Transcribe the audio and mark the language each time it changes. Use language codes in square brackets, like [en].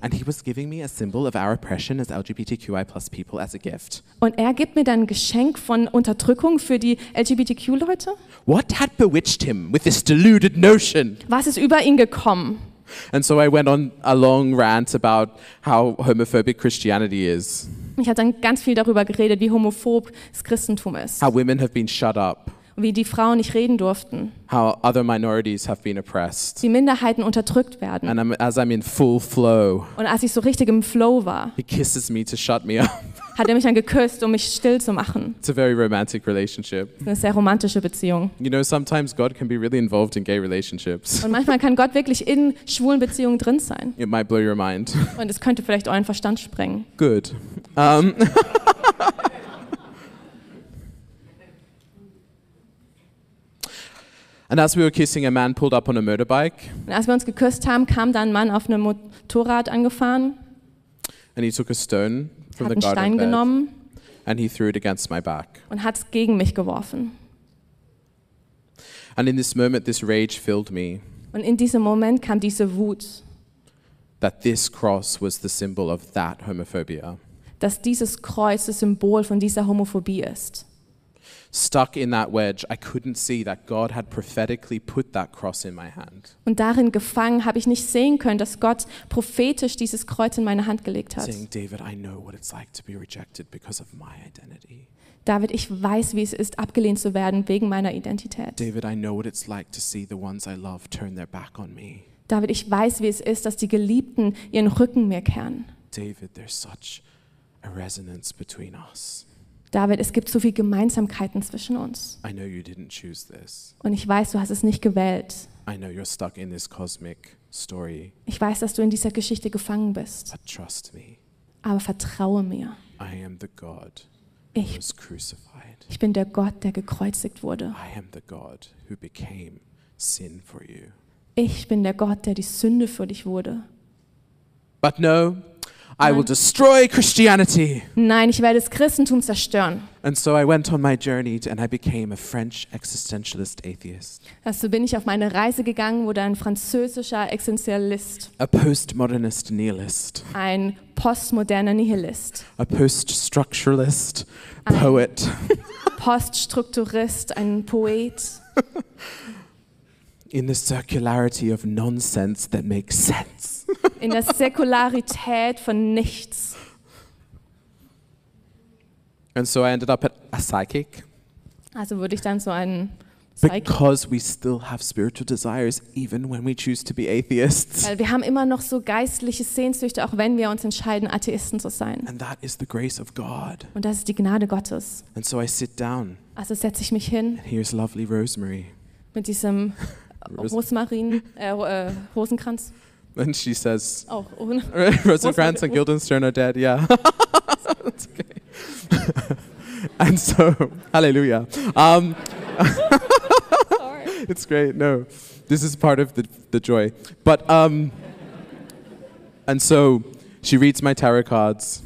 [en] And he was giving me a symbol of our oppression as LGBTQI+ people as a gift. [de] Und er gibt mir dann ein Geschenk von Unterdrückung für die LGBTQ-Leute. [en] What had bewitched him with this deluded notion? [de] Was ist über ihn gekommen? [en] And so I went on a long rant about how homophobic Christianity is. [de] Ich habe dann ganz viel darüber geredet, wie homophob das Christentum ist. [en] How women have been shut up. [de] Wie die Frauen nicht reden durften. [en] How other minorities have been oppressed. [de] Die Minderheiten unterdrückt werden. [en] And as I'm in full flow. [de] Und als ich so richtig im Flow war. [en] He kisses me to shut me up. [de] Hat er mich dann geküsst, um mich still zu machen. [en] It's a very romantic relationship. [de] Eine sehr romantische Beziehung. [en] You know, sometimes God can be really involved in gay relationships. [de] Und manchmal kann Gott wirklich in schwulen Beziehungen drin sein. [en] It might blow your mind. [de] Und es könnte vielleicht euren Verstand sprengen. [en] Good. And as we were kissing, a man pulled up on a motorbike. [de] Und als wir uns geküsst haben, kam dann ein Mann auf einem Motorrad angefahren. [en] And he took a stone. [de] Hat einen Stein genommen [en] and he threw it against my back. [de] Und hat es gegen mich geworfen. [en] And in this moment, this rage filled me. [de] Und in diesem Moment kam diese Wut. [en] That this cross was the symbol of that homophobia. [de] Dass dieses Kreuz das Symbol von dieser Homophobie ist. [en] Stuck in that wedge, I couldn't see that God had prophetically put that cross in my hand. [de] Und darin gefangen, habe ich nicht sehen können, dass Gott prophetisch dieses Kreuz in meine Hand gelegt hat. [en] Saying, David, I know what it's like to be rejected because of my identity. [de] David, ich weiß, wie es ist, abgelehnt zu werden wegen meiner Identität. [en] David, I know what it's like to see the ones I love turn their back on me. [de] David, ich weiß, wie es ist, dass die Geliebten ihren Rücken mir kehren. [en] David, there's such a resonance between us. [de] David, es gibt so viele Gemeinsamkeiten zwischen uns. [en] I know you didn't choose this. [de] Und ich weiß, du hast es nicht gewählt. [en] I know you're stuck in this cosmic story. [de] Ich weiß, dass du in dieser Geschichte gefangen bist. [en] But trust me. [de] Aber vertraue mir. [en] I am the God who was crucified. [de] Ich bin der Gott, der gekreuzigt wurde. [en] I am the God who became sin for you. [de] Ich bin der Gott, der die Sünde für dich wurde. [en] But no. I will destroy Christianity. [de] Nein, ich werde das Christentum zerstören. [en] And so I went on my journey and I became a French existentialist atheist. [de] Also bin ich auf meine Reise gegangen, wurde ein französischer Existentialist. [en] A postmodernist nihilist. [de] Ein postmoderner Nihilist. [en] A poststructuralist poet. [de] Poststrukturist, ein Poet. [en] In the circularity of nonsense that makes sense. [de] In der Säkularität von nichts. [en] And so I ended up at a psychic. [de] Also wurde ich dann so ein [en] Psychic. Because we still have spiritual desires even when we choose to be atheists. [de] Weil wir haben immer noch so geistliche Sehnsüchte, auch wenn wir uns entscheiden, Atheisten zu sein. [en] And that is the grace of God. [de] Und das ist die Gnade Gottes. [en] And so I sit down. [de] Also setze ich mich hin. [en] And here's lovely Rosemary. [de] Mit diesem Rosmarin, Rosenkranz. [en] And she says, oh, Rosencrantz and Guildenstern are dead, yeah. That's okay. And so, hallelujah. Sorry. It's great, no. This is part of the joy. But, and so, she reads my tarot cards.